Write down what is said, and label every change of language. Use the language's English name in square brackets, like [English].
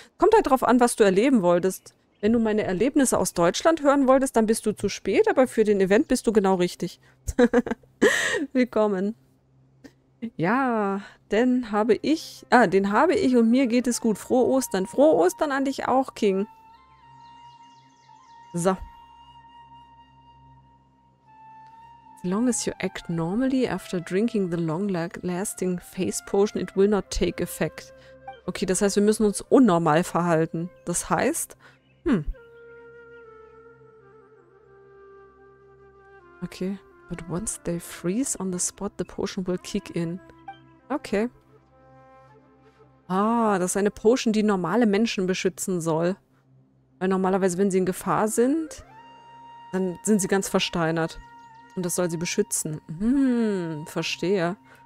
[German] Kommt halt drauf an, was du erleben wolltest. Wenn du meine Erlebnisse aus Deutschland hören wolltest, dann bist du zu spät, aber für den Event bist du genau richtig. Willkommen. Ja, denn habe ich... Ah, den habe ich und mir geht es gut. Frohe Ostern. Frohe Ostern an dich auch, King. So. [English] As long as you act normally after drinking the long-lasting face potion, it will not take effect. [German] Okay, das heißt, wir müssen uns unnormal verhalten. Das heißt... Okay. [English] But once they freeze on the spot, the potion will kick in. Okay. [German] Ah, das ist eine Potion, die normale Menschen beschützen soll. Weil normalerweise, wenn sie in Gefahr sind, dann sind sie ganz versteinert. Und das soll sie beschützen. Verstehe.